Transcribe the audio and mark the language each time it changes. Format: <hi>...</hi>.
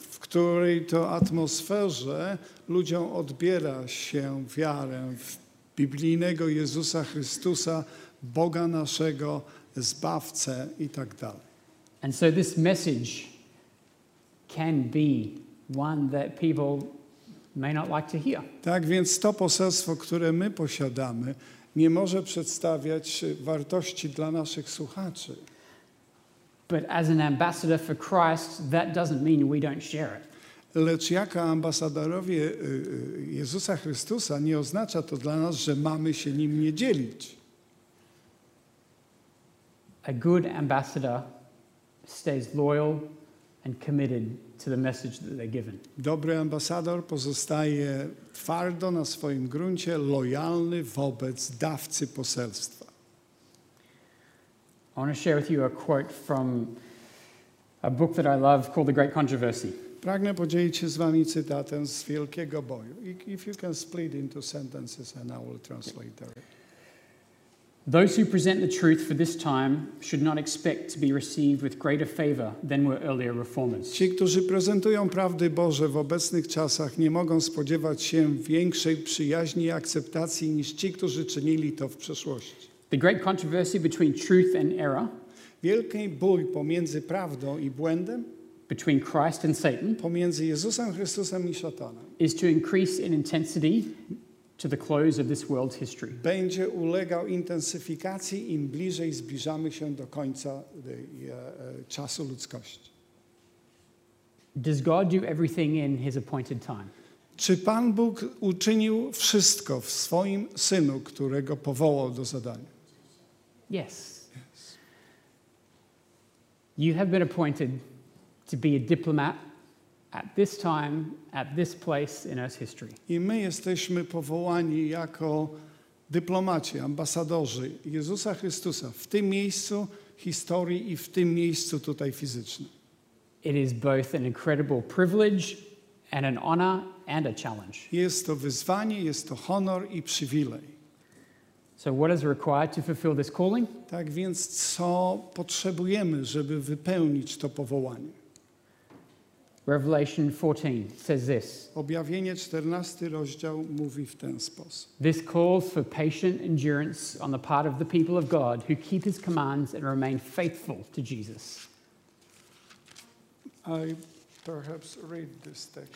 <pl>W której to atmosferze ludziom odbiera się wiarę w biblijnego Jezusa Chrystusa, Boga naszego, Zbawcę i tak dalej.</pl> <en>And so this message can be one that people may not like to hear.</en> <pl>Tak więc to poselstwo, które my posiadamy, nie może przedstawiać wartości dla naszych słuchaczy.</pl> <en>But as an ambassador for Christ, that doesn't mean we don't share it.</en> <pl>Lecz jako ambasadorowie Jezusa Chrystusa nie oznacza to dla nas, że mamy się nim nie dzielić.</pl> <en>A good ambassador stays loyal and committed to the message that they're given.</en> <pl>Dobry ambasador pozostaje twardo na swoim gruncie, lojalny wobec dawcy poselstwa.</pl> <en>I want to share with you a quote from a book that I love called The Great Controversy.</en> <pl>Pragnę podzielić się z wami cytatem z Wielkiego Boju.</pl> <en>If you can split into sentences and I will translate it. Those who present the truth for this time should not expect to be received with greater favor than were earlier reformers.</en> <pl>Ci, którzy prezentują prawdy Boże w obecnych czasach, nie mogą spodziewać się większej przyjaźni i akceptacji niż ci, którzy czynili to w przeszłości.</pl> <en>The great controversy between truth and error.</en> <pl>Wielki bój pomiędzy prawdą i błędem.</pl> <en>Between Christ and Satan.</en> <pl>Pomiędzy Jezusem Chrystusem i Szatanem.</pl> <en>Is to increase in intensity to the close of this world's history.</en> <pl>Będzie ulegał intensyfikacji im bliżej zbliżamy się do końca czasu ludzkości.</pl> <en>Does God do everything in his appointed time?</en> <pl>Czy Pan Bóg uczynił wszystko w swoim synu, którego powołał do zadania?</pl> <en>Yes. You have been appointed to be a diplomat at this time, at this place in Earth's history.</en> <pl>I my jesteśmy powołani jako dyplomaci, ambasadorzy Jezusa Chrystusa w tym miejscu historii i w tym miejscu tutaj fizycznym.</pl> <en>It is both an incredible privilege and an honor and a challenge.</en> <pl>Jest to wyzwanie, jest to honor i przywilej.</pl> <en>So what is required to fulfill this calling?</en> <pl>Tak więc, co potrzebujemy, żeby wypełnić to powołanie?</pl> <en>Revelation 14 says this.</en> <pl>Objawienie 14 rozdział mówi w ten sposób.</pl> <en>This calls for patient endurance on the part of the people of God who keep his commands and remain faithful to Jesus. I perhaps read this text.</en>